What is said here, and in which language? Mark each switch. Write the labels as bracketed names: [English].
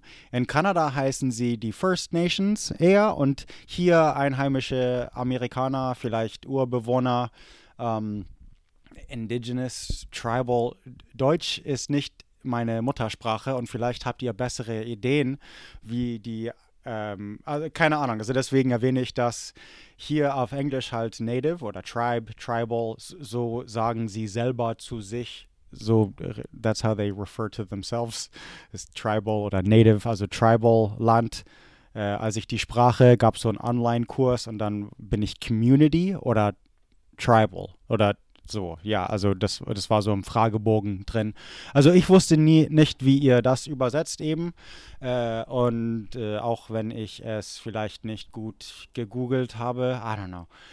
[German] In Kanada heißen sie die First Nations eher und hier einheimische Amerikaner, vielleicht Urbewohner, Indigenous, Tribal. Deutsch ist nicht meine Muttersprache und vielleicht habt ihr bessere Ideen wie die, keine Ahnung, also deswegen erwähne ich das hier auf Englisch halt Native oder Tribe, Tribal, so sagen sie selber zu sich. [English] So, that's how they refer to themselves, is tribal [German] oder native, also tribal Land. Als ich die Sprache, gab es so einen Online-Kurs und dann bin ich Community oder tribal oder so. Ja, also das war so im Fragebogen drin. Also ich wusste nicht, wie ihr das übersetzt eben. Auch wenn ich es vielleicht nicht gut gegoogelt habe, [English] I don't know.